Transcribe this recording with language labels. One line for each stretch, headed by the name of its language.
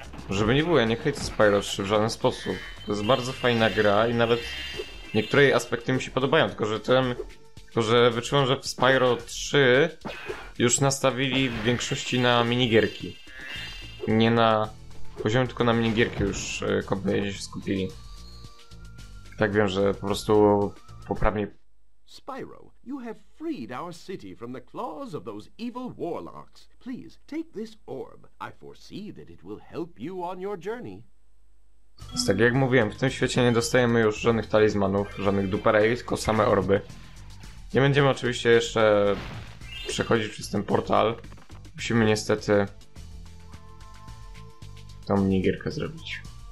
Polish: Żeby nie było, ja nie hejtę Spyro 3 w żaden sposób. To jest bardzo fajna gra i nawet niektóre jej aspekty mi się podobają, tylko że wyczułem, że w Spyro 3 już nastawili w większości na minigierki. Nie na poziom, tylko na minigierki już kompletnie się skupili. Tak wiem, że po prostu poprawnie.
English: Spyro, you have freed our city from the claws of those evil warlocks. Please take this orb. I foresee that it will help you on your journey.
Polish: Więc tak jak mówiłem, w tym świecie nie dostajemy już żadnych talizmanów, żadnych duperej, tylko same orby. Nie będziemy oczywiście jeszcze przechodzić przez ten portal. Musimy niestety tą minigierkę zrobić.